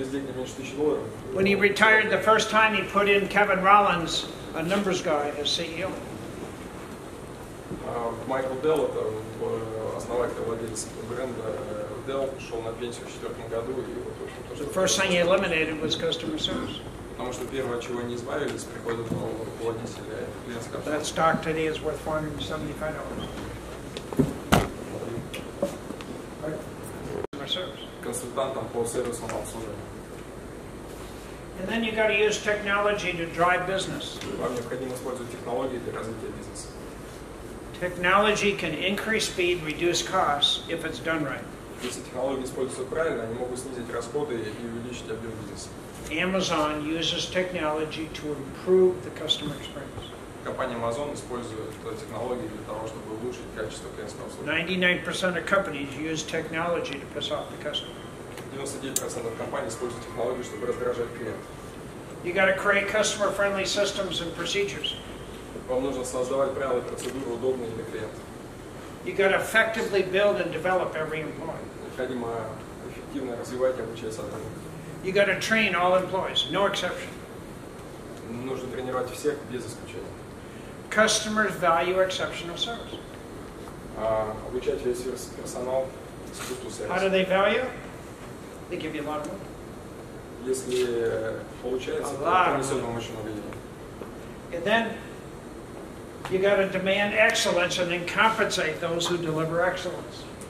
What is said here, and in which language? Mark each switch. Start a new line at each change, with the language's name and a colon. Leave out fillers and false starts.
English: When he retired the first time, he put in Kevin Rollins, a numbers guy, as CEO.
Russian: Michael Dell, это основатель, владелец бренда Dell, ушел на пенсию в 2004 году.
English: The first thing he eliminated was customer service.
Russian: Потому что первое, чего они избавились, приходит новый руководитель, это клиентская обслуга.
English: That stock today is worth $475.
Russian: Консультантом по сервисному обслуживанию.
English: And then you got to use technology to drive business.
Russian: Вам необходимо использовать технологии для развития бизнеса.
English: Technology can increase speed, reduce costs, if it's done right.
Russian: Если технологии используются правильно, они могут снизить расходы и увеличить объем бизнеса.
English: Amazon uses technology to improve the customer experience.
Russian: Компания Amazon использует технологии для того, чтобы улучшить качество клиентского обслуживания.
English: 99% of companies use technology to piss off the customer.
Russian: 99% компаний используют технологии, чтобы раздражать клиента.
English: You got to create customer-friendly systems and procedures.
Russian: Вам нужно создавать правила и процедуры, удобные для клиента.
English: You got to effectively build and develop every employee.
Russian: Необходимо эффективно развивать и обучать сотрудников.
English: You got to train all employees, no exception.
Russian: Нужно тренировать всех без исключения.
English: Customers value exceptional service.
Russian: Обучать весь персонал искусству сервиса.
English: How do they value? They give you a lot of money.
Russian: Если получается, то принесет вам очень много денег.
English: And then you got to demand excellence and then compensate those who deliver excellence.